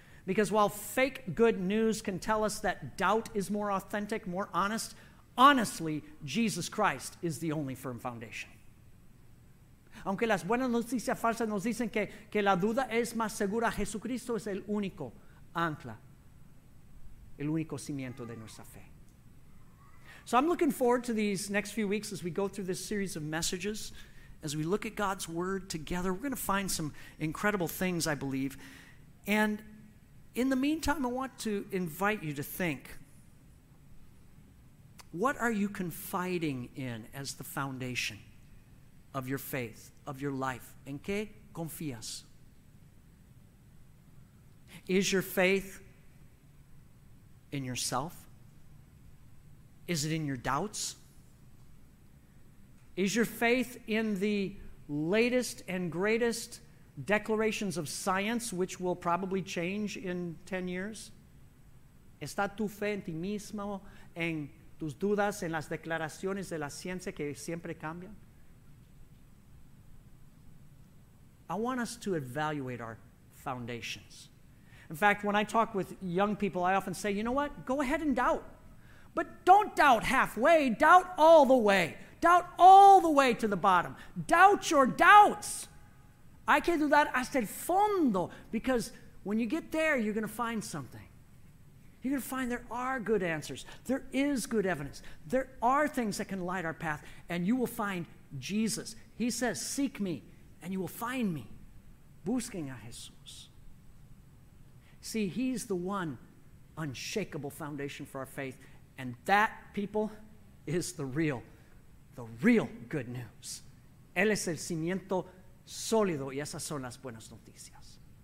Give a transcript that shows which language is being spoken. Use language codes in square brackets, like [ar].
[en] Because while fake good news can tell us that doubt is more authentic, more honest, honestly, Jesus Christ is the only firm foundation. [es] Aunque las buenas noticias falsas nos dicen que la duda es más segura, Jesucristo es el único ancla, el único cimiento de nuestra fe. [en] So I'm looking forward to these next few weeks as we go through this series of messages. As we look at God's word together, we're going to find some incredible things, I believe. And in the meantime, I want to invite you to think, what are you confiding in as the foundation of your faith, of your life? [es] ¿En qué confías? [en] Is your faith in yourself? Is it in your doubts? Is your faith in the latest and greatest declarations of science, which will probably change in 10 years? [es] ¿Está tu fe en ti mismo, en tus dudas, en las declaraciones de la ciencia que siempre cambian? [en] I want us to evaluate our foundations. In fact, when I talk with young people, I often say, you know what? Go ahead and doubt. But don't doubt halfway. Doubt all the way. Doubt all the way to the bottom. Doubt your doubts. [es] Hay que dudar hasta el fondo, [en] because when you get there, you're going to find something. You're going to find there are good answers. There is good evidence. There are things that can light our path, and you will find Jesus. He says, seek me, and you will find me. [es] Busquen a Jesús. [en] See, he's the one unshakable foundation for our faith, and that, people, is the real good news. [es] Él es el cimiento sólido, y esas son las buenas noticias.